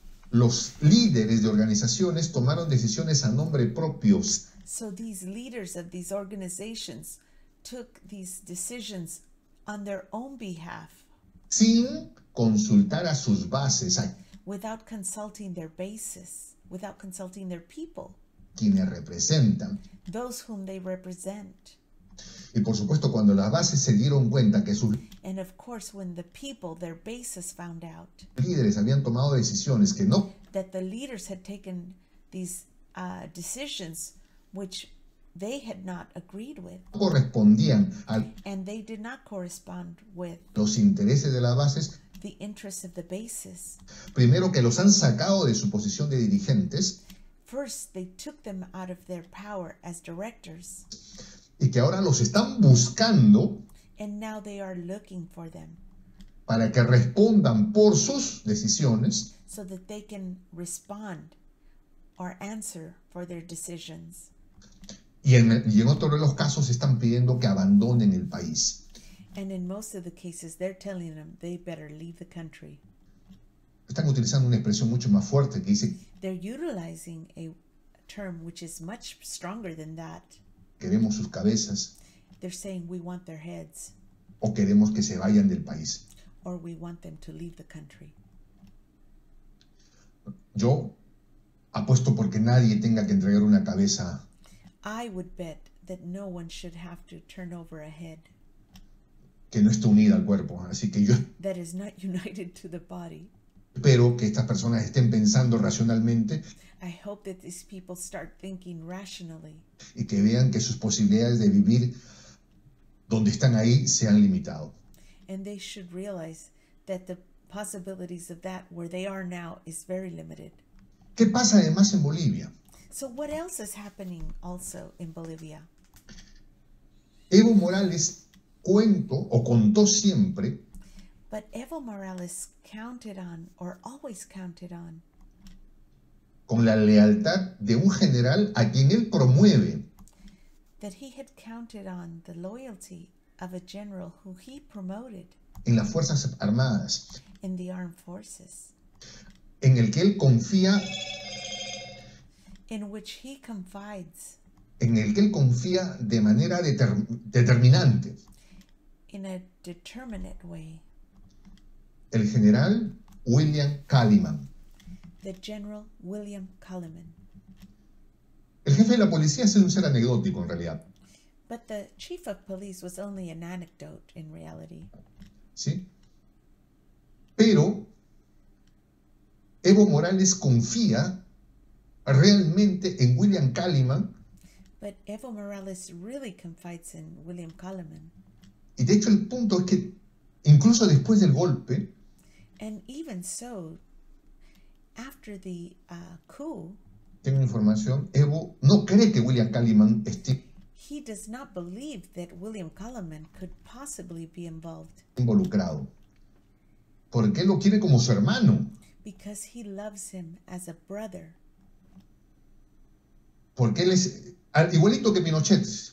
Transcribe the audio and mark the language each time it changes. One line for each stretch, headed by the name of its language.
Spanish: Los líderes de organizaciones tomaron decisiones a nombre propios.
English: So these leaders of these organizations took these decisions on their own behalf.
Spanish: Sin consultar a sus bases.
English: Without consulting their bases. Without consulting their people.
Spanish: Quienes representan.
English: Those whom they represent.
Spanish: Y por supuesto cuando las bases se dieron cuenta que sus
English: and of course, when the people, their bases found out,
Spanish: líderes habían tomado decisiones que no
English: that the leaders had taken these decisions which they had not agreed with
Spanish: correspondían al
English: and they did not correspond with
Spanish: los intereses de las bases
English: the interests of the bases
Spanish: primero que los han sacado de su posición de dirigentes
English: first they took them out of their power as directors
Spanish: y que ahora los están buscando
English: and now they are looking for them
Spanish: para que respondan por sus decisiones,
English: so that they can respond or answer for their decisions.
Spanish: Y en otro de los casos están pidiendo que abandonen el país.
English: And in most of the cases, they're telling them they better leave the country.
Spanish: Están utilizando una expresión mucho más fuerte que dice,
English: they're utilizing a term which is much stronger than that.
Spanish: Queremos sus cabezas.
English: They're saying we want their heads.
Spanish: O queremos que se vayan del país.
English: Or we want them to leave the country.
Spanish: Yo apuesto porque nadie tenga que entregar una cabeza.
English: I would bet that no one should have to turn over a head.
Spanish: Que no esté unida al cuerpo, así que yo
English: that is not united to the body.
Spanish: Espero que estas personas estén pensando racionalmente.
English: I hope that these people start thinking rationally.
Spanish: Y que vean que sus posibilidades de vivir donde están ahí se han limitado.
English: And they should realize that the possibilities of that where they are now is very limited.
Spanish: ¿Qué pasa además en Bolivia?
English: So what else is happening also in Bolivia?
Spanish: Evo Morales cuento o contó siempre.
English: But Evo Morales counted on or always counted on.
Spanish: Con la lealtad de un general a quien él promueve.
English: That he had counted on the loyalty of a general who he promoted.
Spanish: En las Fuerzas Armadas.
English: In the armed forces.
Spanish: En el que él confía.
English: In which he confides.
Spanish: En el que él confía de manera determinante.
English: In a determinate way.
Spanish: El general William Calliman.
English: The general William Calliman.
Spanish: El jefe de la policía es un ser anecdótico en realidad.
English: But the chief of police was only an anecdote in reality.
Spanish: Sí. Pero Evo Morales confía realmente en William Calliman.
English: But Evo Morales really confides in William Calliman.
Spanish: Y de hecho el punto es que incluso después del golpe.
English: And even so, after the coup.
Spanish: Tengo información, Evo no cree que William Calliman esté.
English: He does not believe that William Calliman could possibly be involved.
Spanish: Involucrado. Porque él lo quiere como su hermano.
English: Because he loves him as a brother.
Spanish: Porque él es igualito que Pinochet.